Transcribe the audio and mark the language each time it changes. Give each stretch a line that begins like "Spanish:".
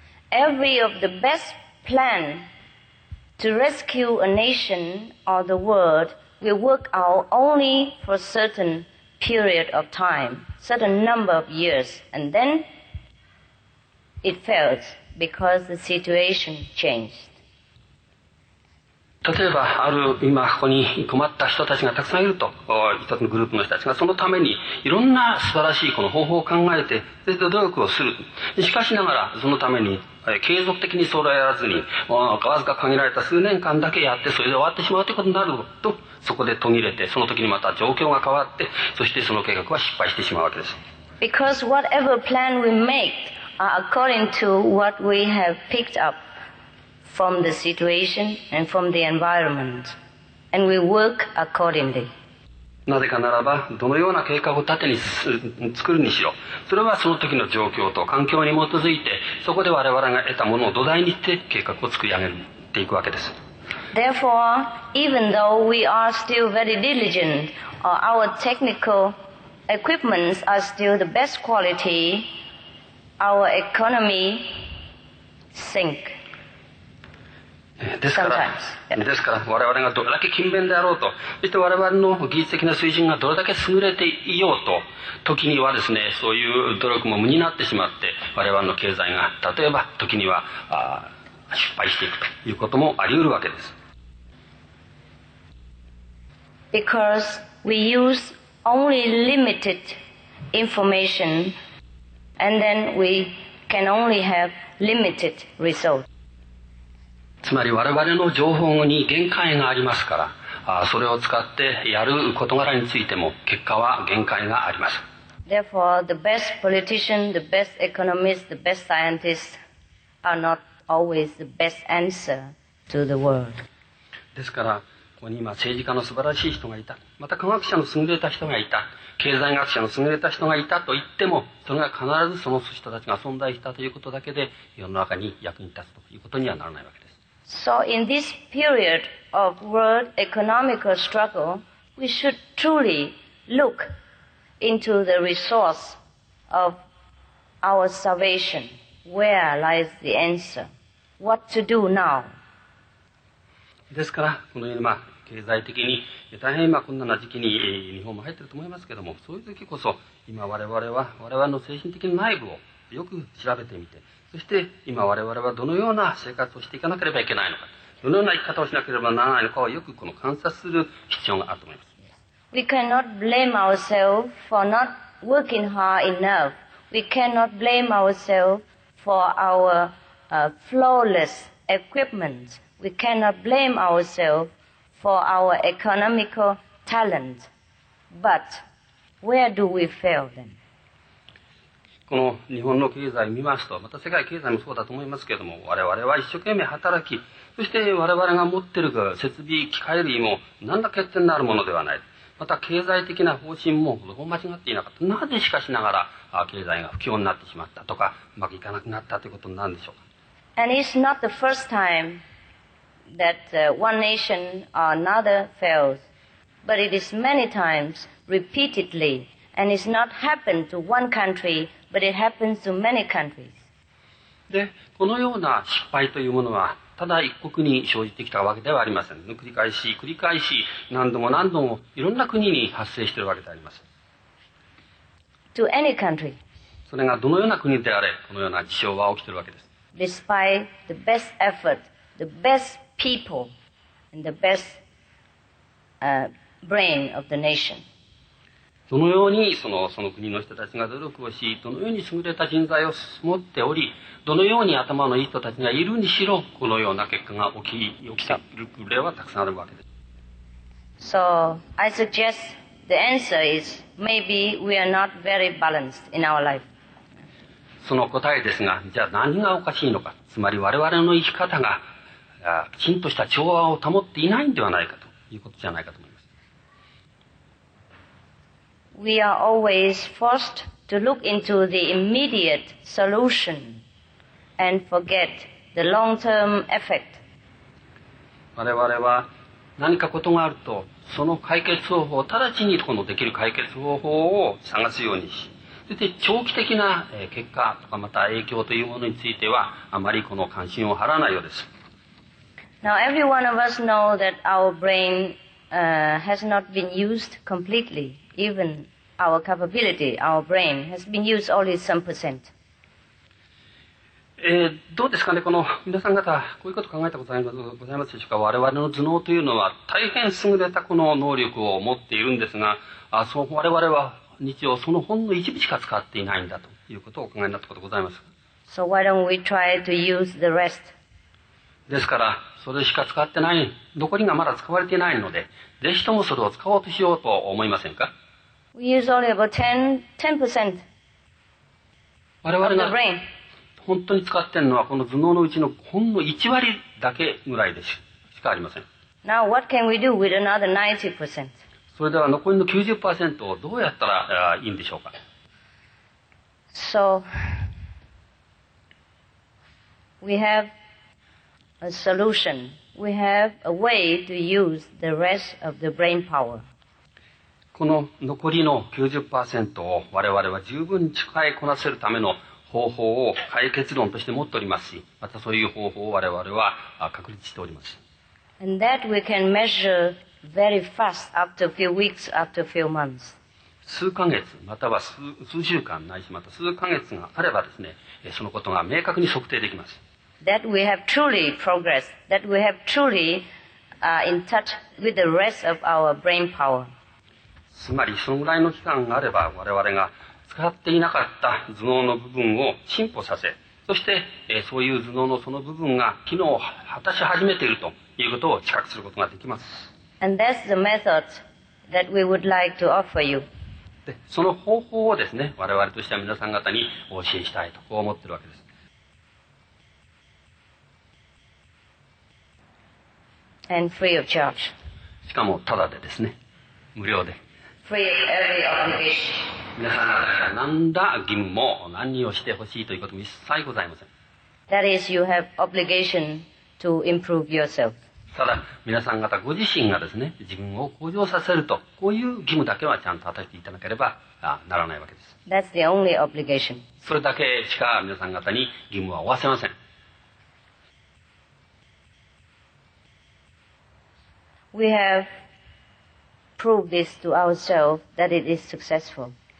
English: Every of the best plan to rescue a nation or the world will work out only for a certain period of time, certain number of years, and then it fails because the situation changed.
Japanese: 例えばある今ここに困った人たちがたくさんいると、一つのグループの人たちがそのためにいろんな素晴らしいこの方法を考えて、それで努力をする。しかしながらそのために継続的にそれをやらずに、わずか限られた数年間だけやって、それで終わってしまうということになると、そこで途切れて、その時にまた状況が変わって、そしてその計画は失敗してしまうわけです。
English: Because whatever plan we make are according to what we have picked upfrom the situation and from the environment, and we work accordingly.
Japanese: なぜかならば、どのような計画を縦に作るにしろ、それはその時の状況と環境に基づいて、そこで我々が得たものを土台にして計画を作り上げていくわけです。
English: Therefore, even though we are still very diligent, our technical equipments are still the best quality, our economy sink.
Japanese: ですから我々がどれだけ勤勉であろうと、そして我々の技術的な水準がどれだけ優れていようと、時にはですね、そういう努力も無になってしまって、我々の経済が例えば時には失敗していくということもあり得るわけです。
English: Because we use only limited information and then we can only have limited results.
Japanese: つまり我々の情報に限界がありますから、それを使ってやる事柄についても結果は限界があります。
English: Therefore, the best politician, the best economist, the best scientist are not always the best answer to the world.
Japanese: ですから、ここに今政治家の素晴らしい人がいた、また科学者の優れた人がいた、経済学者の優れた人がいたと言っても、それが必ずその人たちが存在したということだけで、世の中に役に立つということにはならないわけです。
English: So in this period of world economical struggle, we should truly look into the resource of our salvation. Where lies the answer? What to do now?
Japanese: ですから、このように、まあ、経済的に大変今困難な時期に日本も入っていると思いますけれども、そういう時こそ、今我々の精神的な内部をよく調べてみて、そして今我々はどのような生活をしていかなければいけないのか、どのような生き方をしなければならないのかをよくこの観察する必要があると思います。
English: We cannot blame ourselves for not working hard enough. We cannot blame ourselves for our flawless equipment. We cannot blame ourselves for our economical talent. But where do we fail then?
Japanese: この日本の経済を見ますと、また世界経済もそうだと思いますけれども、我々は一生懸命働き、そして我々が持っている設備、機械類も何ら欠点のあるものではない。また経済的な方針もどこも間違っていなかった。なぜしかしながら経済が不況になってしまったとか、うまくいかなくなったということなんでしょうか。
English: And it's not the first time. That one nation or another fails, but it is many times repeatedly, and it's not happened to one country, but it happens to many countries.
Japanese: で、このような失敗というものはただ一国に生じてきたわけではありません。繰り返し繰り返し何度も何度もいろんな国に発生しているわけであります。
English: To any country.
Japanese: それがどのような国であれ、このような事象は起きているわけです。
English: Despite the best effort, the bestpeople and the best brain of the nation.
Japanese: どのようにその国の人たちが努力をし、どのように優れた人材を持っており、どのように頭のいい人たちがいるにしろ、このような結果が起きている例はたくさんあるわけです。
English: So I suggest the answer is maybe we are not very balanced in our life.
Japanese: その答えですが、じゃあ何がおかしいのか、つまり我々の生き方がきちんとした調和を保っていないんではないかということじゃないかと思います。
English: We are always forced to look into the immediate solution and forget the long-term effect.
Japanese: 我々は何かことがあると、その解決方法、直ちにこのできる解決方法を探すようにし、そして長期的な結果とかまた影響というものについては、あまりこの関心を払わないようです。
English: Now every one of us know that our brain has not been used completely. Even our capability, our brain has been used only some percent.
Japanese: どうですかね、この皆さん方、こういうこと考えたことございますでしょうか。我々の頭脳というのは大変優れたこの能力を持っているんですが、そう我々は日常そのほんの一部しか使っていないんだということをお考えになったことございますか。
English: So why don't we try to use the rest?
Japanese: ですから、それしか使ってない、残りがまだ使われていないので、ぜひともそれを使おうとしようと思いませんか。
English: We use only about 10% of the brain.
Japanese: 我々が本当に使っているのは、この頭脳のうちのほんの1割だけぐらいでしかありません。
English: Now what can we do with another 90%?
Japanese: それでは残りの 90% をどうやったらいいんでしょうか。
English: So, we haveA solution. We have a way to use the rest of the brain power.
Japanese: この残りの 90% を我々は十分に使いこなせるための方法を解決論として持っておりますし、またそういう方法を我々は確立しております。
English: And that we can measure very fast after a few weeks, after a few months.
Japanese: 数ヶ月または数週間ないしまた数ヶ月があればですね、そのことが明確に測定できます。
English: That we have truly progressed, that we have truly in touch with the rest of our brain power.
Japanese: つまり、そのぐらいの期間があれば、我々が使っていなかった頭脳の部分を進歩させ、そして、そういう頭脳のその部分が機能を果たし始めているということを知覚することができます。
English: And that's the method that we would like to offer you.
Japanese: で、その方法をですね、我々としては皆さん方にお教えしたいと、こう思ってるわけです。
English: And free of charge.
Japanese: しかも、ただでですね、無料で。
English: Free of every obligation.
Japanese: 皆さん方には何ら義務も、何をしてほしいということも一切ございません。
English: That is, you have obligation to improve yourself.
Japanese: ただ皆さん方ご自身がですね、自分を向上させると、こういう義務だけはちゃんと果たしていただければならないわけです。
English: That's the only obligation.
Japanese: それだけしか皆さん方に義務は負わせません。
English: We have proved this to ourselves that it is successful.